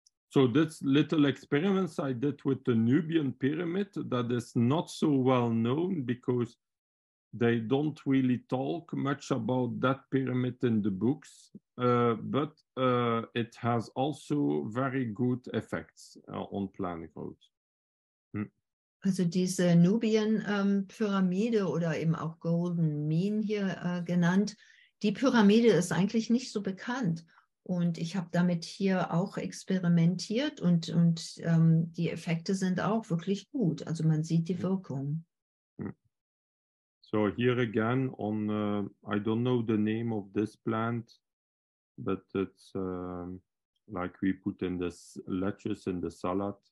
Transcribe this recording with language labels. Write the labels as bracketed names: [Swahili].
[English] So this little experiments I did with the Nubian pyramid that is not so well known because they don't really talk much about that pyramid in the books, but it has also very good effects on planet Earth. [German] Also diese Nubien-Pyramide oder eben auch [English] Golden Mean [German] hier genannt, die Pyramide ist eigentlich nicht so bekannt. Und ich habe damit hier auch experimentiert und die Effekte sind auch wirklich gut. Also man sieht die Wirkung. [English] So here again on I don't know the name of this plant, but it's like we put in this lettuce in the salad